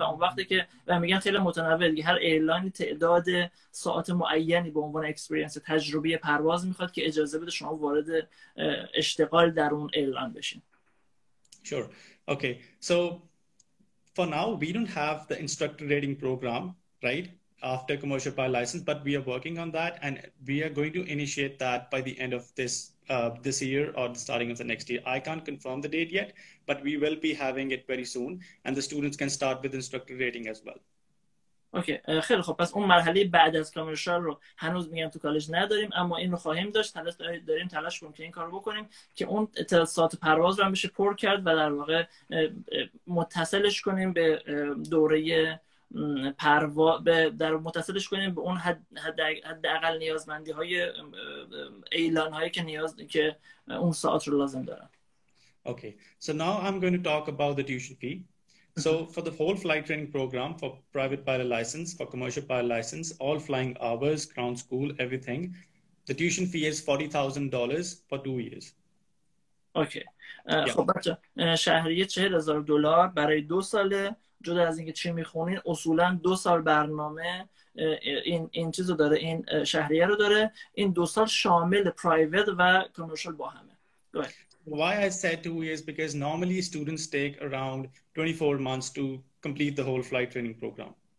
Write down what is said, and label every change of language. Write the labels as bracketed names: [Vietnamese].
[Persian] و اون وقتی که و میگن خیلی متنوع دیگه، هر ایرلاین تعداد ساعت معینی به عنوان اکسپریانس تجربه پرواز میخواد که اجازه بده شما وارد اشتغال در اون ایرلاین بشین. [English] Sure. Okay. So for now, we don't have the instructor rating program, right, after commercial pilot license, but we are working on that and we are going to initiate that by the end of this year or the starting of the next year. I can't confirm the date yet, but we will be having it very soon and the students can start with instructor rating as well. [Persian] اوکی خیلی خوب. پس اون مرحله بعد از کامرشال رو هنوز میگم تو کالج نداریم، اما این رو خواهیم داشت. تلاش کنیم که این کار رو بکنیم که اون ساعت پرواز رو هم بشه پر کرد و در واقع متصلش کنیم به دوره پرواز، در متصلش کنیم به اون حداقل نیازمندی های ایلان هایی که نیاز که اون ساعت رو لازم دارن. [English] Okay, so now I'm going to talk about the tuition fee. So for the whole flight training program, for private pilot license, for commercial pilot license, all flying hours, ground school, everything, the tuition fee is $40,000 for 2 years. [Persian] Okay. خب بچه شهریه $40,000 برای 2 ساله جدا از اینکه چی میخونین، اصولا 2 سال برنامه این چیزو داره، این شهریه رو داره، این 2 سال شامل پرایوت و کامرشال با همه. [English] Why I said 2 years because normally students take around 24 months to complete the whole flight training program.